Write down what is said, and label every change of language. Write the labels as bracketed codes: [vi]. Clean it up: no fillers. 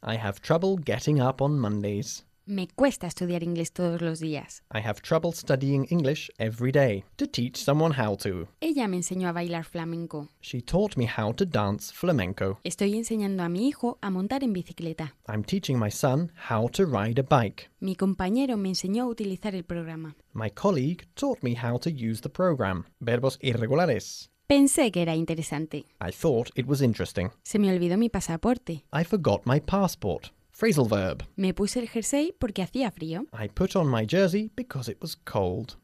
[en] I have trouble getting up on Mondays. [es] Me cuesta estudiar inglés todos los días. [en] I have trouble studying English every day. To teach someone how to. [es] Ella me enseñó a bailar flamenco. [en] She taught me how to dance flamenco. [es] Estoy enseñando a mi hijo a montar en bicicleta. [en] I'm teaching my son how to ride a bike. [es] Mi compañero me enseñó a utilizar el programa. [en] My colleague taught me how to use the program. [es] Verbos irregulares. Pensé que era interesante. [en] I thought it was interesting. [es] Se me olvidó mi pasaporte. [en] I forgot my passport. Phrasal verb. [es] Me puse el jersey porque hacía frío. [en] I put on my jersey because it was cold.